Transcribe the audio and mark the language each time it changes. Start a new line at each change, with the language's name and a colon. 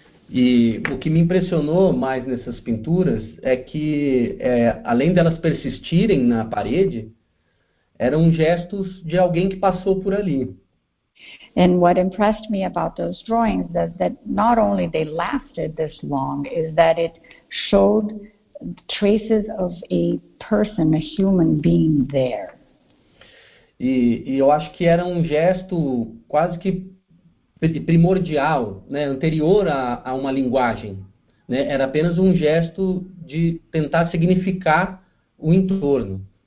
Portuguese: E o que me impressionou mais nessas pinturas é que, além delas persistirem na parede, eram gestos de alguém que passou por ali.
English: And what impressed me about those drawings is that not only they lasted this long, is that it showed traces of a person, a human being there.
Portuguese: E eu acho que era um gesto quase que primordial, né, anterior a uma linguagem, né? Era apenas um gesto de tentar significar o entorno.